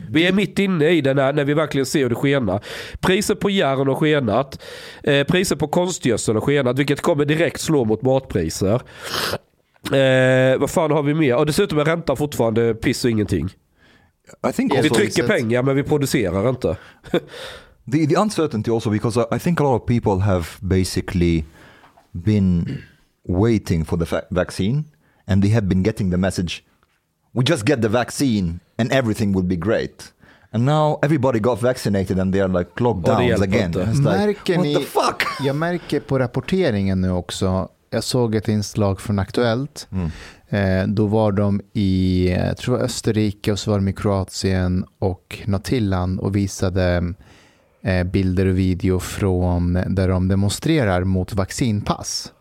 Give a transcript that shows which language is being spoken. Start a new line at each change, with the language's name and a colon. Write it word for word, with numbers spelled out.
Swedish: Vi är mitt inne i den här, när vi verkligen ser hur det skenar. Priser på järn har skenat. Eh, priser på konstgödsel har skenat. Vilket kommer direkt slå mot matpriser. Eh, vad fan har vi mer? Och dessutom är räntan fortfarande piss och ingenting.
English: I think
Swedish: vi trycker pengar men vi producerar inte.
English: the the uncertainty also because I, I think a lot of people have basically been waiting for the fa- vaccine and they have been getting the message we just get the vaccine and everything will be great. And now everybody got vaccinated and they are like lockdowns oh, again. It's like, what the fuck?
Swedish: Jag märker på rapporteringen nu också. Jag såg ett inslag från Aktuellt. Mm. Då var de i, jag tror Österrike och så var de i Kroatien och något till land och visade bilder och video från där de demonstrerar mot vaccinpass.